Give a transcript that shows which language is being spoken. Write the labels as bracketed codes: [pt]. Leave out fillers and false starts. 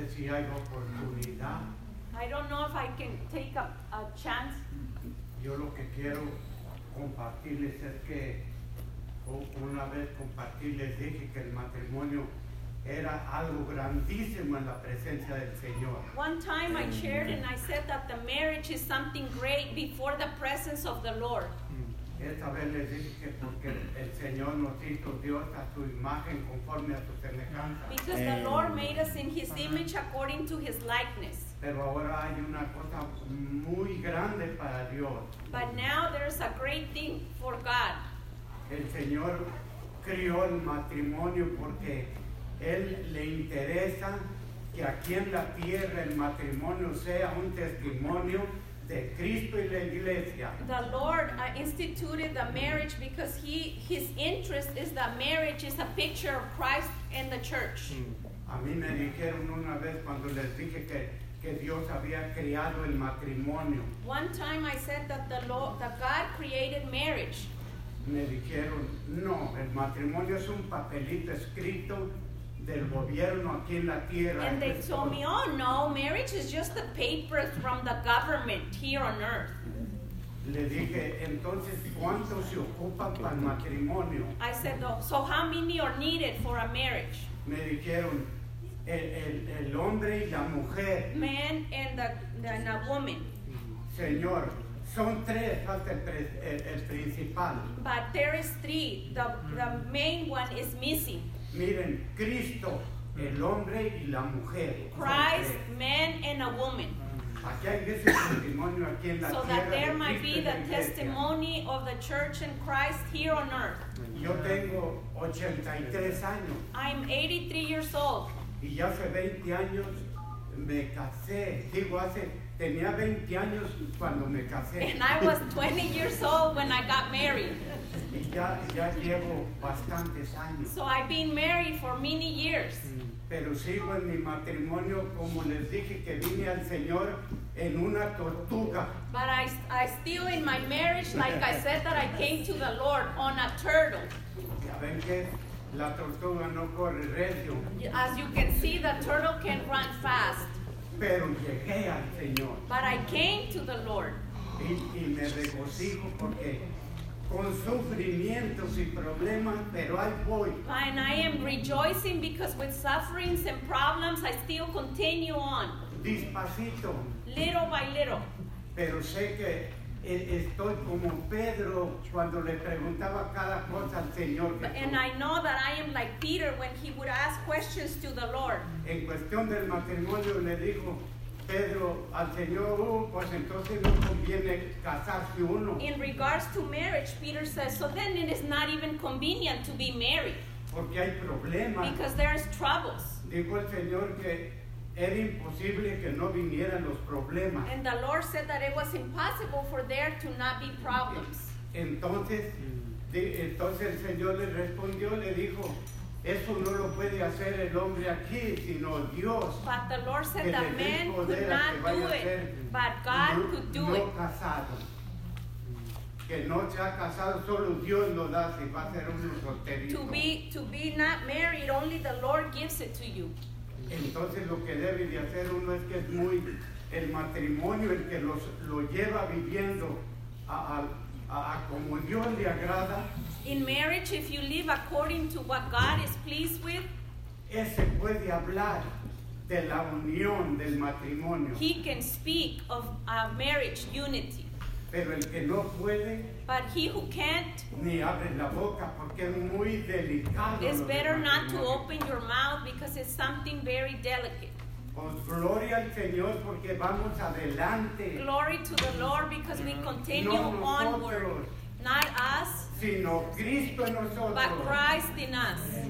[en] I don't know if I can take a chance. [es] Yo lo que quiero compartirles es que una vez compartirles dije que el matrimonio era algo grandísimo en la presencia del Señor. [en] One time I shared and I said that the marriage is something great before the presence of the Lord. [es] Esta vez les dije que porque el Señor nos hizo Dios a su imagen conforme a su semejanza. [en] Because the Lord made us in His image according to His likeness. [es] Pero ahora hay una cosa muy grande para Dios. [en] But now there is a great thing for God. [es] El Señor crió el matrimonio porque Él le interesa que aquí en la tierra el matrimonio sea un testimonio de Cristo y la iglesia. [en] The Lord instituted the marriage because his interest is that marriage is a picture of Christ and the church. [es] A mí me dijeron una vez cuando les dije que Dios había creado el matrimonio. [en] One time I said that the Lord, that God created marriage. [es] Me dijeron, no, el matrimonio es un papelito escrito del gobierno aquí en la tierra. [en] And they told me, oh no, marriage is just the paper from the government here on earth. [es] Le dije, entonces, ¿cuánto se ocupa para el matrimonio? [en] I said, oh, so how many are needed for a marriage? [es] Me dijeron, el hombre y la mujer. [en] Man and a woman. [es] Señor, son tres hasta el principal. [en] But there is three. The main one is missing. [es] Miren, Cristo, el hombre y la mujer. [en] Christ, man and a woman. [es] Aquí hay ese testimonio aquí en la [en] so [es] tierra, [en] that there might be the testimony of the church and Christ here on earth. [es] Yo tengo 83 años. [en] I'm 83 years old. [es] Y ya hace 20 años me casé. Digo, tenía 20 años cuando me casé. [en] And I was 20 years old when I got married. [es] Ya llevo bastantes años. [en] So I've been married for many years. [es] Pero sigo en mi matrimonio como les dije que vine al Señor en una tortuga. [en] But I still in my marriage like I said that I came to the Lord on a turtle. [es] Ya ven que la tortuga no corre recio. [en] As you can see, the turtle can run fast. [es] Pero llegué al Señor. [en] But I came to the Lord. [es] Y me regocijo porque con sufrimientos y problemas, pero ahí voy. [en] And I am rejoicing because with sufferings and problems, I still continue on. [es] Despacito. [en] Little by little. [es] Pero sé que estoy como Pedro cuando le preguntaba cada cosa al Señor. [en] And I know that I am like Peter when he would ask questions to the Lord. [es] En cuestión del matrimonio le dijo Pedro al Señor, pues entonces no conviene casarse uno. [en] In regards to marriage, Peter says, so then it is not even convenient to be married. [es] porque hay problemas. [en] Because there's troubles. [es] Dijo el Señor que era imposible que no vinieran los problemas. [en] And the Lord said that it was impossible for there to not be problems. [es] Entonces el Señor le respondió, le dijo, eso no lo puede hacer el hombre aquí, sino Dios. [en] But the Lord said that man could not do it, but God could do it. [es] No casado. Que no sea casado, solo Dios lo da, si va a ser un solterito. [en] To be not married, only the Lord gives it to you. [es] Entonces lo que debe de hacer uno es que es muy el matrimonio el que lo lleva viviendo a como Dios le agrada. [en] In marriage, if you live according to what God is pleased with, [es] ese puede hablar de la unión del matrimonio. [en] He can speak of a marriage unity. [es] Pero el que no puede, [en] but he who can't, [es] ni abre la boca porque es muy delicado. [en] It's better not to open your mouth because it's something very delicate. [es] Pues gloria al Señor porque vamos adelante. [en] Glory to the Lord because we continue [es] no [en] onward. Not us, [es] sino Cristo en nosotros. [en] But Christ in us.